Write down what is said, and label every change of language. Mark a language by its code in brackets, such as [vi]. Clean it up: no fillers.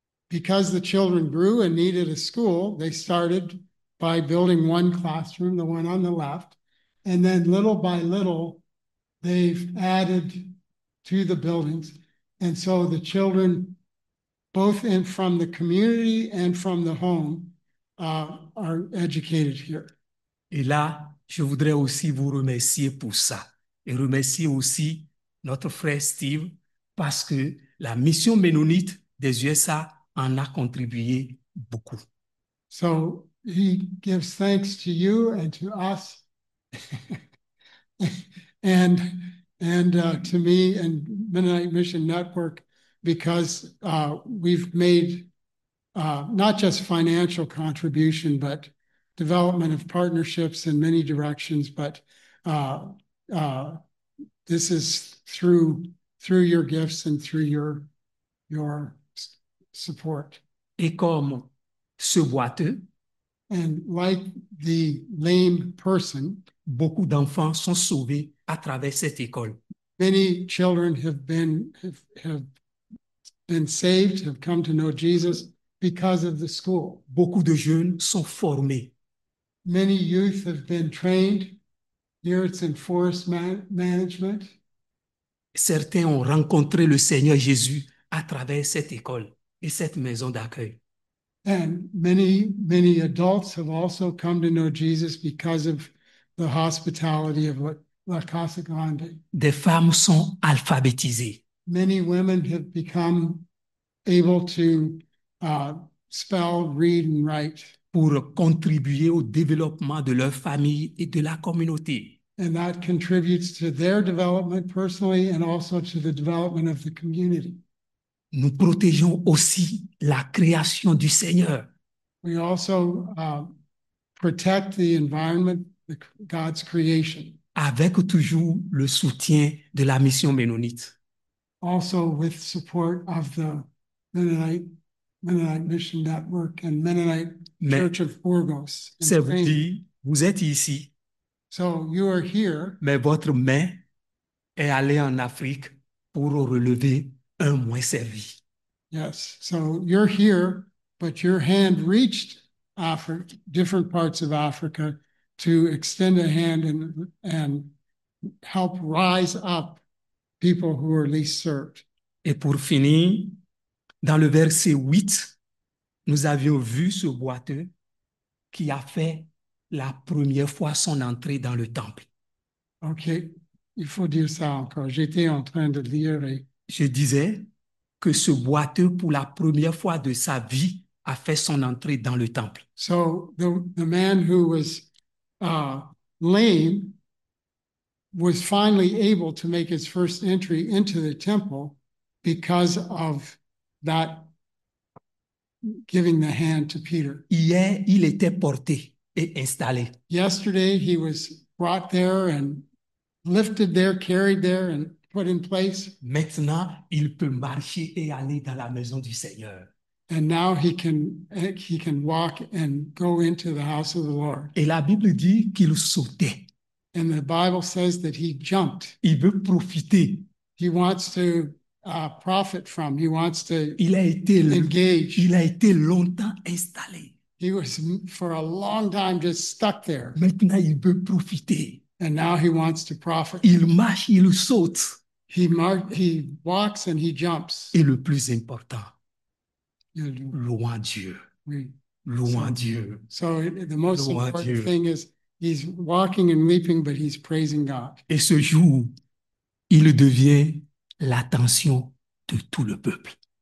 [en] Because the children grew and needed a school, they started by building one classroom, the one on the left, and then little by little, they've added to the buildings. And so the children, both in from the community and from the home, are educated here. [fr] Et là, je voudrais aussi vous remercier pour ça. Et remercier aussi notre frère Steve parce que la mission mennonite des USA en a contribué beaucoup. [en] So he gives thanks to you and to us and to me and Mennonite Mission Network because we've made not just financial contribution but development of partnerships in many directions, but this is through your gifts and through your support. [fr] Et comme ce boiteux, [en] And like the lame person, [fr] beaucoup d'enfants sont sauvés à travers cette école. [en] many children have been saved, have come to know Jesus because of the school. [fr] Beaucoup de jeunes sont formés. [en] Many youth have been trained. Here it's in forest management. [fr] Certains ont rencontré le Seigneur Jésus à travers cette école et cette maison d'accueil. [en] And many adults have also come to know Jesus because of the hospitality of La Casa Grande. [fr] Des femmes sont alphabétisées. [en] Many women have become able to spell, read, and write. [fr] Pour contribuer au développement de leur famille et de la communauté. [en] And that contributes to their development personally and also to the development of the community. [fr] Nous protégeons aussi la création du Seigneur. [en] We also protect the environment, God's creation. [fr] Avec toujours le soutien de la mission Mennonite. [en] Also with support of the Mennonite Mission Network and Mennonite [fr] Mais [en] Church of Burgos in [fr] c'est [en] Spain. [fr] Dit, vous êtes ici. [en] So you are here. [fr] Mais votre main est allée en Afrique pour relever un moins servi. [en] Yes, so you're here, but your hand reached Africa, different parts of Africa, to extend a hand and help rise up people who are least served. [fr] Et pour finir, dans le verset 8, nous avions vu ce boiteux qui a fait la première fois son entrée dans le temple. OK, il faut dire ça encore. J'étais en train de lire et... Je disais que ce boiteux, pour la première fois de sa vie, a fait son entrée dans le temple. [en] So the man who was lame was finally able to make his first entry into the temple because of that giving the hand to Peter. [fr] Hier, il était porté et installé. [en] Yesterday, he was brought there and lifted there, carried there, and put in place. [fr] Maintenant, il peut marcher et aller dans la maison du Seigneur. [en] And now he can walk and go into the house of the Lord. [fr] Et la Bible dit qu'il sautait. [en] And the Bible says that he jumped. [fr] Il veut profiter. [en] He wants to profit from. He wants to engage. [fr] Il a été longtemps installé. [en] He was for a long time just stuck there. [fr] Maintenant, il veut profiter. [en] And now he wants to profit. [fr] Il marche, il saute. [en] He walks and he jumps. [fr] Et le plus important, louant Dieu. Oui. Louant Dieu. [en] So the most [fr] louant [en] important [fr] Dieu. [en] Thing is he's walking and leaping, but he's praising God. [fr] Et ce jour, il devient l'attention de tout le peuple.